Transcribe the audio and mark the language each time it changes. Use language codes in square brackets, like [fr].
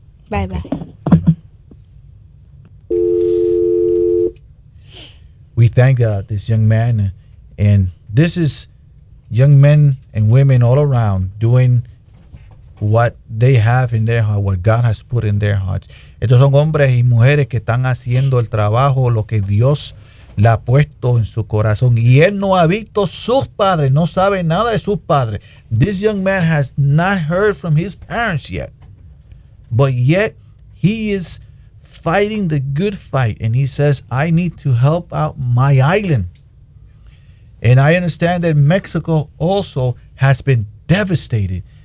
[en] Bye bye. We thank this young man, and this is young men and women all around doing what they have in their heart, what God has put in their hearts. [es] Estos son hombres y mujeres que están haciendo el trabajo, lo que Dios le ha puesto en su corazón. Y él no ha visto sus padres, no sabe nada de sus padres. [en] This young man has not heard from his parents yet, but yet he is fighting the good fight, and he says, I need to help out my island. And I understand that Mexico also has been devastated.